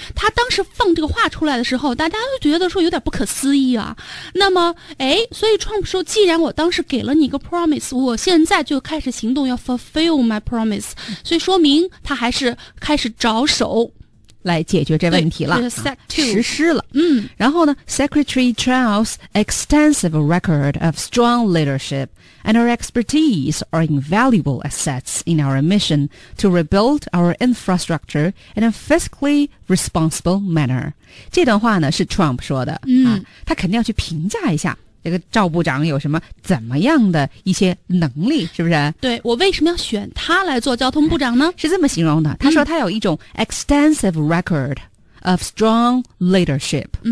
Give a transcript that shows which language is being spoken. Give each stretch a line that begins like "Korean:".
Chinese: 他当时放这个话出来的时候，大家都觉得说有点不可思议啊。那么哎，所以 Trump 说，既然我当时给了你一个 promise， 我现在就开始行动，要
English: fulfill my promise，
Chinese: 所以说明他还是开始着手来解决这问题了、实施了。然后呢，
English: Secretary Chao's extensive record of strong leadership and her expertise are invaluable assets in our mission to rebuild our infrastructure in a fiscally responsible manner。
Chinese: 这段话呢是 Trump 说的、他肯定要去评价一下这个赵部长有什么怎么样的一些能力，是不是？对，我为什么要选他来做交通部长呢？是这么形容的，他说他有一种
English: extensive record of strong leadership。